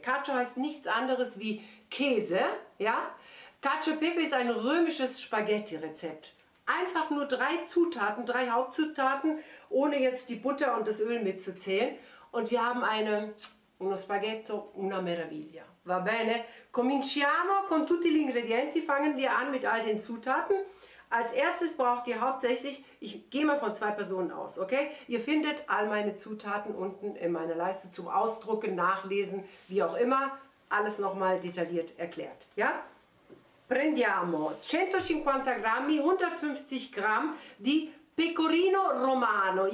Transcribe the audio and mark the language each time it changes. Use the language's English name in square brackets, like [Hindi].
[German] Cacio heißt nichts anderes wie Käse, ja? Cacio e Pepe ist ein römisches Spaghetti-Rezept. Einfach nur drei Zutaten, drei Hauptzutaten, ohne jetzt die Butter und das Öl mitzuzählen. Und wir haben eine, uno spaghetto, una meraviglia. [Italian] Va bene? Cominciamo con tutti gli ingredienti. [German] Fangen wir an mit all den Zutaten. Als erstes braucht ihr hauptsächlich, ich gehe mal von zwei Personen aus, okay? Ihr findet all meine Zutaten unten in meiner Leiste zum Ausdrucken, Nachlesen, wie auch immer. Alles nochmal detailliert erklärt, ja? [Italian] Prendiamo 150 Grammi, [German] 150 Gramm, die Pecorino Romano.